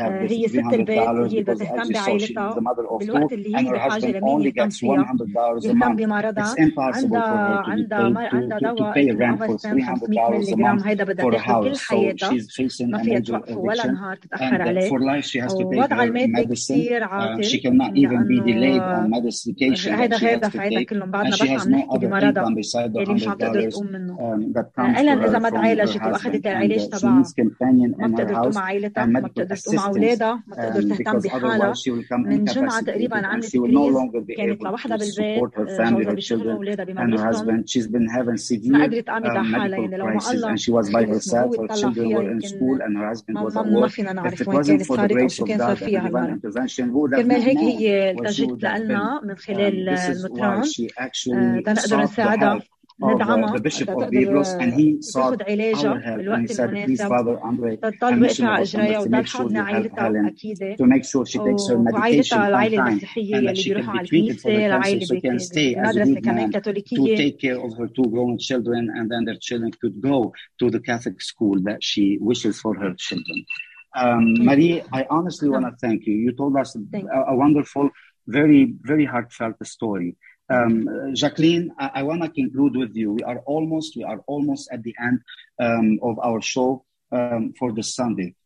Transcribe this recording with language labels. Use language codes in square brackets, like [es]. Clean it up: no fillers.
[ar] هي ست البيت، هي اللي بتهتم بعائلتها، بالوقت اللي هي بحاجة لمين يهتم فيها، يهتم بمرضها، عندها دواء أفاستين 500 ملي جرام، هيدا بدها تاخده كل حياتها، ما فيها توقف ولا نهار تتأخر عليه، ووضعها المادي كثير [en] she cannot even be delayed on medication that she has to take, and she has no other income beside the $100 that comes to her from her husband. And she needs companion in her house and medical assistance, because otherwise she will come incapacitated and she will no longer be able to support her family, her children, and her husband. She's been having severe medical crisis, and she was by herself. Her children were in school and her husband was at work. If it wasn't for the grace of God and divine intervention, [ar] كرمال هيك هي التجت لألنا من خلال المطران تنقدر نساعدها ندعمها تقدر تاخد علاجة بالوقت المناسب تطلب إفعاء إجرايا وتلحظنا عائلتها أكيدة وعائلتها العائلة المسيحية اللي بيروحوا على الكنيسة العائلة بمدرسة كمان كاثوليكية [en] to take care of her two grown children and then their children could go to the Catholic school that she wishes for her children. Marie, I honestly want to thank you. You told us a wonderful, very, very heartfelt story. Jacqueline, I want to conclude with you. We are almost at the end of our show for this Sunday.